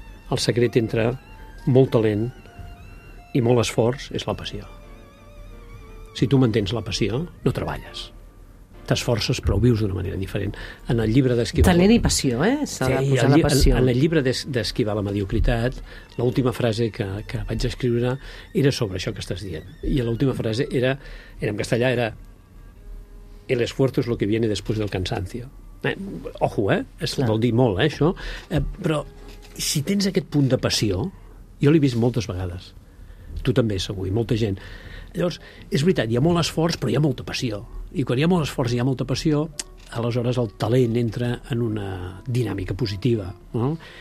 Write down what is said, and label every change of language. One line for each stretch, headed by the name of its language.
Catalan: el secret entre molt talent i molt esforç és la passió. Si tu mantens la passió, no treballes. T'esforces, però ho vius d'una manera diferent. En el llibre d'Esquivar... Talent i passió, eh? S'ha de posar la passió. En el llibre d'Esquivar la mediocritat, l'última frase que vaig escriure era sobre això que estàs dient. I l'última frase era en castellà, era
Spanish: el esfuerzo es lo que viene después del cansancio.
Catalan: Ojo, eh? Es vol dir molt, això. Però si tens aquest punt de passió, jo l'he vist moltes vegades, tu també segur, i molta gent. Llavors, és veritat, hi ha molt esforç, però hi ha molta passió. I quan hi ha molt esforç i hi ha molta passió, aleshores el talent entra en una dinàmica positiva. No?